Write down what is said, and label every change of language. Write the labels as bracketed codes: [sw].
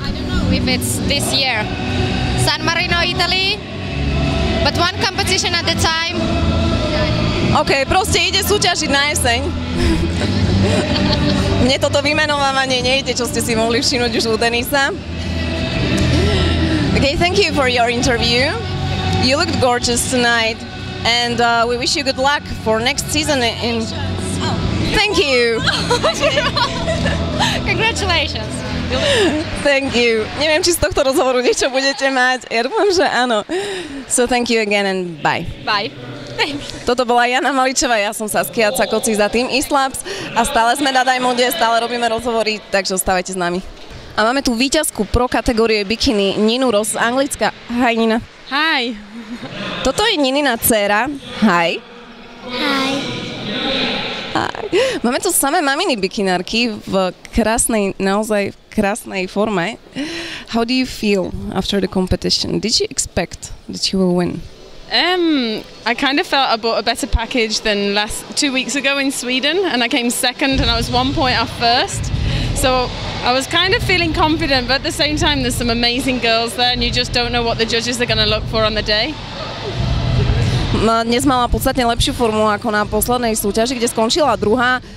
[en] I don't know if it's this year. San Marino, Italy. But one competition at a time. [sk] OK, proste ide súťažiť na jeseň. Mne toto vymenovávanie nejde, čo ste si mohli všimnúť už u Denisa. [en] Okay, thank you for your interview. You looked gorgeous tonight. And we wish you good luck for next season in... Thank you. Congratulations. Thank you. [sk] Neviem, či z tohto rozhovoru niečo budete mať. Ja dúfam, že áno. [en] So thank you again and bye. Bye. [sk] Toto bola Jana Maličová, ja som Saskia Cakoci za Team Islabs a stále sme na Diamonde, stále robíme rozhovory, takže ostávajte s nami. A máme tu víťazku pro kategórie bikini Ninu Ross z Anglicka. Hi Nina. [en] Hi. [sk] Toto je Ninina dcéra. Hi. [en] Hi. [sk] Máme tu samé maminy bikinárky v krásnej, naozaj v krásnej forme. [en] How do you feel after the competition? Did you expect that you will win? I kind of felt I bought a better package than last 2 weeks ago in Sweden, and I came second and I was one point off first. So I was kind of feeling confident, but at the same time there's some amazing girls there and you just don't know what the judges are going to look for on the day. [sk] Dnes mala podstatne lepšiu formu ako na poslednej súťaži, kde skončila druhá.